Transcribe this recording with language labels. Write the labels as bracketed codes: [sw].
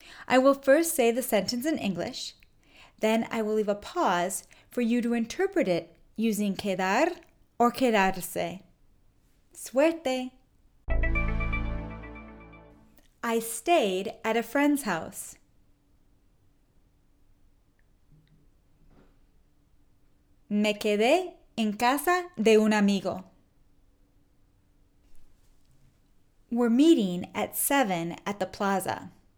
[en] I will first say the sentence in English, then I will leave a pause for you to interpret it using quedar or quedarse. Suerte! I stayed at a friend's house. [es] Me quedé en casa de un amigo. [en] We're meeting at 7 at the plaza.